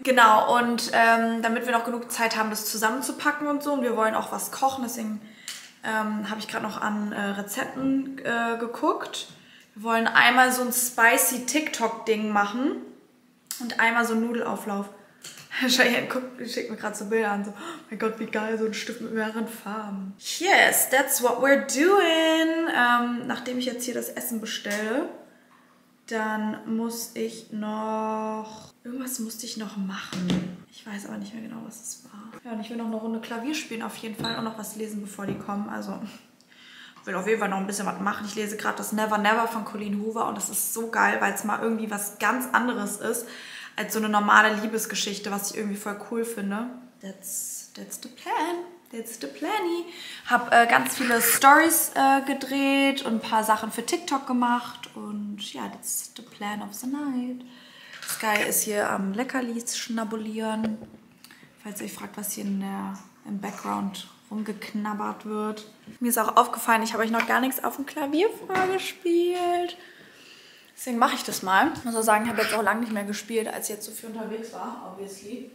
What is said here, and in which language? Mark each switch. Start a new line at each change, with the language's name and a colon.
German: Genau, und damit wir noch genug Zeit haben, das zusammenzupacken und so. Und wir wollen auch was kochen, deswegen habe ich gerade noch an Rezepten geguckt. Wir wollen einmal so ein spicy TikTok-Ding machen und einmal so einen Nudelauflauf. Cheyenne schickt mir gerade so Bilder an. So, oh mein Gott, wie geil, so ein Stück mit mehreren Farben.
English: Yes, that's what we're doing.
German: Nachdem ich jetzt hier das Essen bestelle, dann muss ich noch... Irgendwas musste ich noch machen. Ich weiß aber nicht mehr genau, was es war. Ja, und ich will noch eine Runde Klavier spielen auf jeden Fall und noch was lesen, bevor die kommen. Also, will auf jeden Fall noch ein bisschen was machen. Ich lese gerade das Never Never von Colleen Hoover und das ist so geil, weil es mal irgendwie was ganz anderes ist als so eine normale Liebesgeschichte, was ich irgendwie voll cool finde.
English: That's the plan. That's the plan-y.
German: Hab ganz viele Stories gedreht und ein paar Sachen für TikTok gemacht. Und ja,
English: that's the plan of the night.
German: Sky ist hier am Leckerlis schnabulieren. Falls ihr euch fragt, was hier im Background rumgeknabbert wird. Mir ist auch aufgefallen, ich habe euch noch gar nichts auf dem Klavier vorgespielt. Deswegen mache ich das mal. Ich muss auch sagen, ich habe jetzt auch lange nicht mehr gespielt, als ich jetzt so viel unterwegs war, obviously.